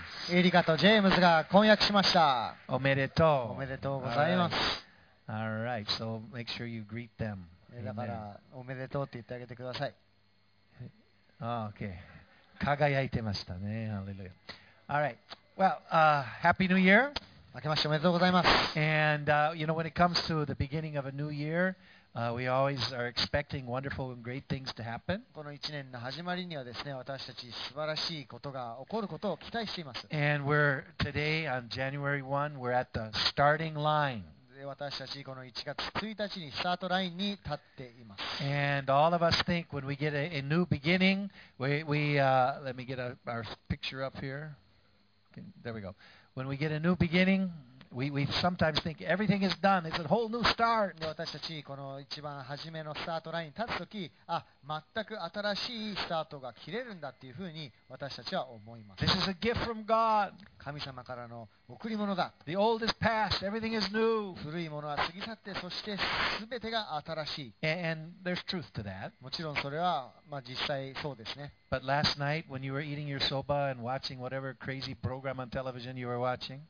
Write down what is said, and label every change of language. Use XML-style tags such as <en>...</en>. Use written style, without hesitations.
<ja>Erika and James が婚約しました。おめでとう。おめでとうございます。</ja> <en>All right, so make sure you greet them.</en> <ja>だからおめでとうって言ってあげてください。 Okay, 輝いてましたね。</ja> <en>Hallelujah. All right, well, Happy New Year.</en> <ja>明けましておめでとうございます。</ja> <en>And you know, when it comes to the beginning of a new year, we always are expecting wonderful and great things to happen.</en> <ja>この1年の始まりにはですね、私たち素晴らしいことが起こることを期待しています。</ja> <en>And we're today on January 1, we're at the starting line.</en> <ja>で、私たちこの1月1日にスタートラインに立っています。</ja> <en>And all of us think when we get a new beginning, let me get our picture up here. Okay, there we go. When we get a new beginning, we sometimes think everything is done. It's a whole new start.</en> <ja>私たちこの一番初めのスタートラインに立つとき、あ、全く新しいスタートが切れるんだっていうふうに私たちは思います。</ja> <en>This is a gift from God.</en> <ja>神様からの贈り物だ。</ja> <en>The old is past. Everything is new.</en> <ja>古いものは過ぎ去って、そしてすべてが新しい。</ja> <en>And there's truth to that.</en> <ja>もちろんそれは、まあ、実際そうですね。</ja> <en>But last night, when you were eating your soba and watching whatever crazy program on television you were watching,</en>